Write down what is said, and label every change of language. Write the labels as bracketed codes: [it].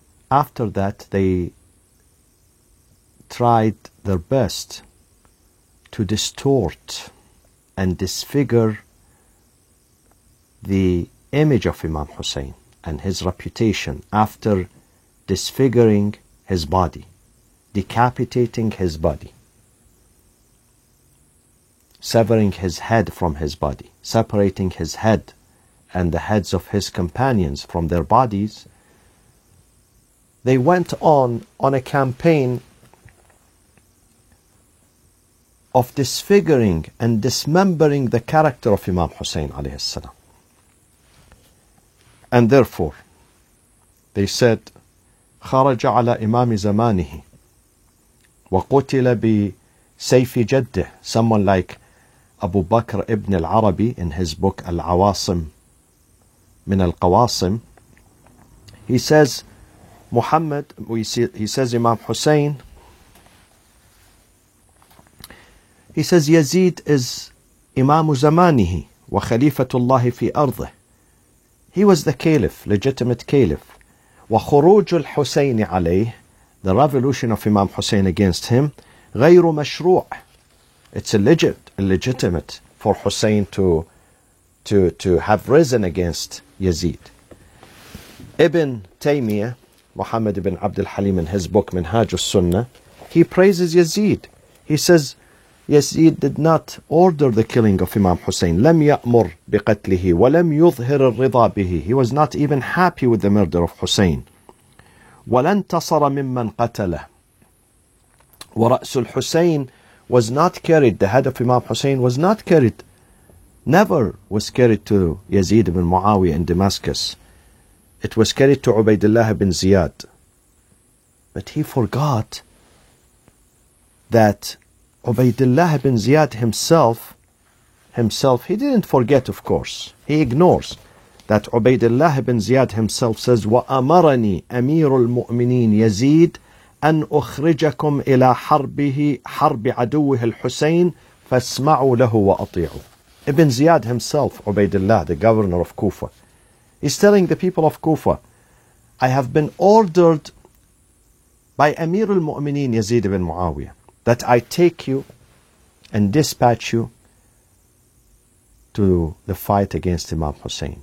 [en] after that they tried their best to distort and disfigure the image of Imam Hussein and his reputation, after disfiguring his body, decapitating his body, severing his head from his body, separating his head and the heads of his companions from their bodies. They went on a campaign of disfiguring and dismembering the character of Imam Hussein alayhi salam. And therefore, they said, [ar] خرج على إمام زمانه وقتل بسيف جده. [en] Someone like Abu Bakr ibn al-Arabi in his book Al-Awasim min al-Qawasim, he says Imam Hussein, he says Yazid is Imam [ar] زمانه وخليفة الله في أرضه. [en] He was the caliph, legitimate caliph. [ar] وخروج الحسين عليه, [en] the revolution of Imam Hussein against him, [ar] غير مشروع. [en] It's illegitimate for Hussein to have risen against Yazid. Ibn Taymiyyah, Muhammad ibn Abd al-Halim, in his book Minhaj al-Sunnah, he praises Yazid. He says Yazid did not order the killing of Imam Hussein. [ar] لم يأمر بقتله ولم يظهر الرضا به. [en] He was not even happy with the murder of Hussein. [ar] ولن تصر ممن قتله. ورأس الحسين [en] was not carried. The head of Imam Hussein was not carried. Never was carried to Yazid ibn Muawiyah in Damascus. It was carried to Ubaydullah ibn Ziyad. But he forgot that Ubaydullah ibn Ziyad himself, he didn't forget, of course. He ignores that Ubaydullah ibn Ziyad himself says, [ar] وَأَمَرَنِي أَمِيرُ الْمُؤْمِنِينَ يَزِيدُ أَنْ أُخْرِجَكُمْ إِلَى حَرْبِهِ حَرْبِ عَدُوِّهِ الْحُسَيْنِ فَاسْمَعُوا لَهُ وَأَطِيعُوا. [en] Ibn Ziyad himself, Ubaydullah, the governor of Kufa, he's telling the people of Kufa, I have been ordered by Amir al-Mu'mineen Yazid ibn Muawiyah that I take you and dispatch you to the fight against Imam Hussein.